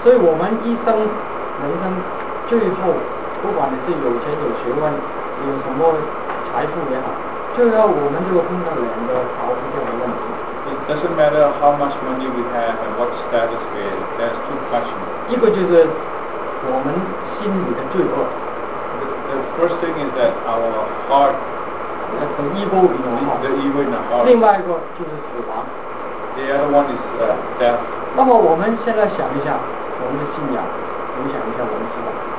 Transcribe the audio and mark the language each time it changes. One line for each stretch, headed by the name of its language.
Chinese: 所以我们一生人生最后，不管你是有钱有学问，有什么财富也好，最后我们就碰到两个逃不掉的问题。
English: It doesn't matter how much money we have and what status we are. There's two questions.
Chinese: 一个就是我们心里的罪恶。
English: The first thing is that our heart. The evil in our heart. The evil in our heart.
Chinese: 另外一个就是死亡。
English: The other one is death.
Chinese: 那么我们现在想一下我们的信仰，我们想一下我们的信仰。